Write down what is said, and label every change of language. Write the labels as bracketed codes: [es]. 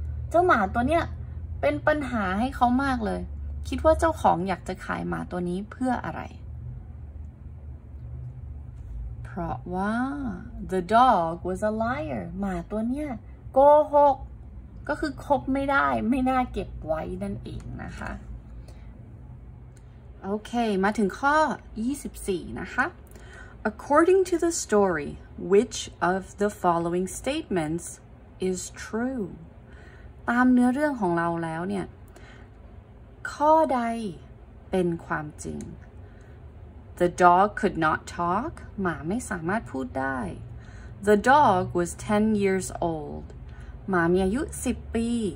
[th] เจ้าหมาตัวเนี้ยเป็นปัญหาให้เขามากเลยคิดว่าเจ้าของอยากจะขายหมาตัวนี้เพื่ออะไร เพราะว่า [en] the dog was a liar [th] หมาตัวเนี้ยโกหกก็คือคบไม่ได้ไม่น่าเก็บไว้นั่นเองนะคะ โอเคมาถึงข้อ24นะคะ [en] according to the story which of the following statements is true [th] ตามเนื้อเรื่องของเราแล้วเนี่ยข้อใดเป็นความจริง [en] The dog could not talk [th] หมาไม่สามารถพูดได้ [en] The dog was 10 years old [th] หมามีอายุ10ปี